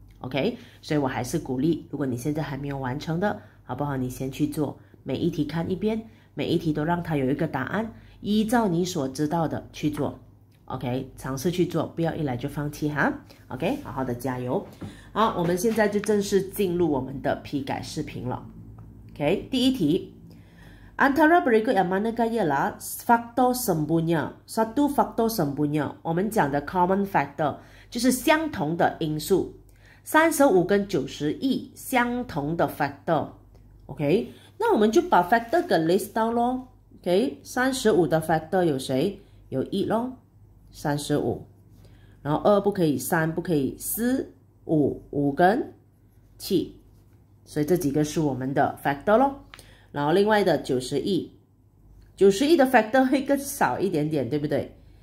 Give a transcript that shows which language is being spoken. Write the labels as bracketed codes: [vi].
[zh] OK，所以我还是鼓励，如果你现在还没有完成的，好不好？你先去做，每一题看一遍，每一题都让他有一个答案，依照你所知道的去做。 OK，尝试去做，不要一来就放弃哈。OK，好好的加油。好，我们现在就正式进入我们的批改视频了。 OK，第一题， [ms] antara berikut yang manakah ialah faktor sempurna, [zh] satu faktor sempurna，我们讲的 common factor 就是相同的因素，35跟91相同的 factor。 OK，那我们就把 factor 给 list down 咯。 OK，35的 factor 有谁？有一咯。三十五，然后二不可以，三不可以，四五跟七，所以这几个是我们的 factor 咯。然后另外的九十一的 factor 会更少一点点，对不对？